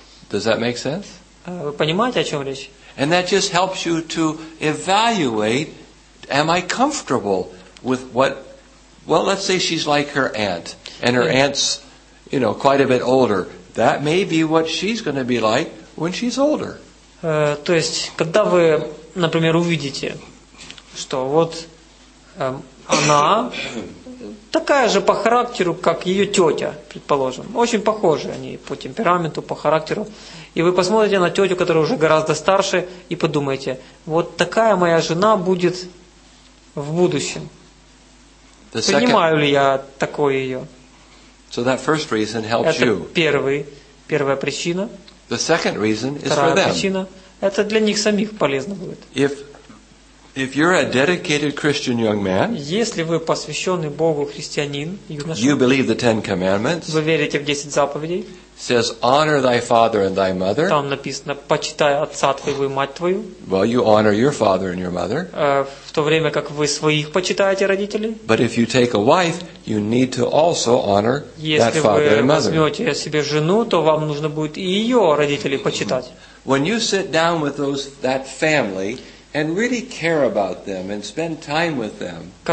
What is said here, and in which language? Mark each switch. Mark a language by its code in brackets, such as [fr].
[en] Does that make sense? [ru] Вы понимаете, о чем речь? [en] And that just helps you to evaluate, am I comfortable with what, well, let's say she's like her aunt, and her aunt's, you know, quite a bit older. That may be what she's going to be like when she's older. [ru] То есть, когда вы, например, увидите, что вот она такая же по характеру, как ее тетя, предположим. Очень похожи они по темпераменту, по характеру. И вы посмотрите на тетю, которая уже гораздо старше, и подумаете, вот такая моя жена будет в будущем. Понимаю ли я такое ее? [en] So that first reason helps [ru] Это [en] you. [ru] Первая причина. [en] The second reason is [ru] Вторая [en] for them. [ru] Причина. Это для них самих полезно будет. [en] If you're a dedicated Christian young man, [ru] если вы посвященный Богу христианин, юноша, [en] you believe the Ten Commandments, [ru] вы верите в 10 заповедей, [en] says, honor thy father and thy mother, [ru] там написано, почитай отца твоего и мать твою, [en] well, you honor your father and your mother, [ru] в то время как вы своих почитаете родителей, [en] but if you take a wife, you need to also honor that father and mother. [ru] Если вы возьмете себе жену, то вам нужно будет и ее родителей почитать. [en] When you sit down with that family and really care about them and spend time with them,